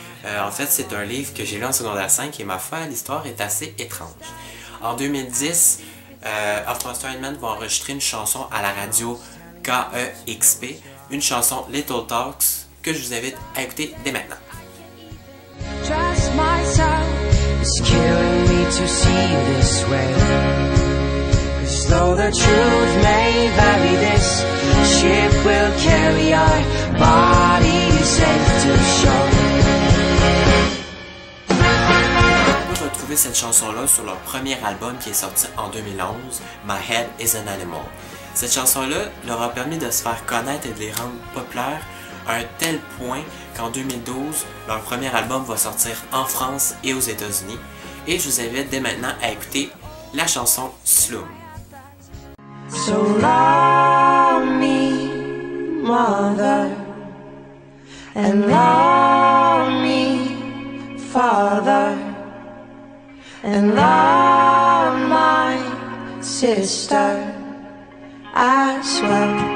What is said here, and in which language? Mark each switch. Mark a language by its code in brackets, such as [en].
[fr] En fait, c'est un livre que j'ai lu en secondaire 5 et ma foi, l'histoire est assez étrange. En 2010, Off Monster and Men vont enregistrer une chanson à la radio KEXP, une chanson Little Talks que je vous invite à écouter dès maintenant. [en] Just myself. It's killing me to see this way. 'Cause though the truth may vary, this ship will carry our bodies safe to shore. [fr] Vous retrouvez cette chanson-là sur leur premier album qui est sorti en 2011, My Head is an Animal. Cette chanson-là leur a permis de se faire connaître et de les rendre populaires à un tel point qu'en 2012, leur premier album va sortir en France et aux États-Unis. Et je vous invite dès maintenant à écouter la chanson Slum. [en] So love me, mother, and love me, father, and love my sister as well.